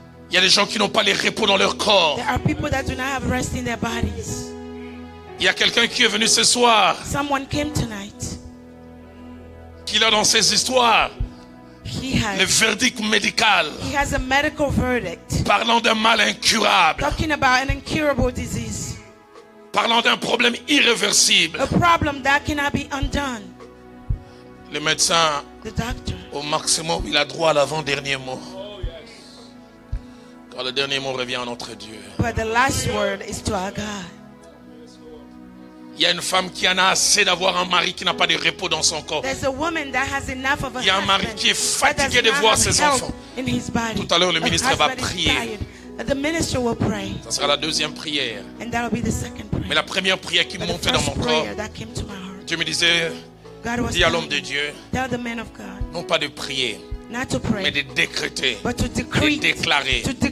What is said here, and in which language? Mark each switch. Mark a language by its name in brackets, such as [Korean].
[French] Il y a des gens qui n'ont pas le repos dans leur corps. Il y a quelqu'un qui est venu ce soir. [English] Someone came tonight. [French] Qu'il a dans ses histoires. [English] He has, [French] le verdict médical. [English] He has a medical verdict. [French] Parlant d'un mal incurable. [English] Talking about an incurable disease. [French] Parlant d'un problème irréversible. [English] A problem that cannot be undone. [French] Le médecin, [English] the doctor, [French] au maximum, il a droit à l'avant-dernier mot. [English] Oh, yes. [French] Quand le dernier mot revient à notre Dieu. [English] But the last word is to our God. [French] Il y a une femme qui en a assez d'avoir un mari qui n'a pas de repos dans son corps. Il y a un mari qui est fatigué de voir ses enfants. Tout à l'heure, le ministre va prier. Ça sera la deuxième prière. Mais la première prière qui montait dans mon corps, Dieu me disait, dis à l'homme de Dieu, non pas de prier, mais de décréter, de déclarer.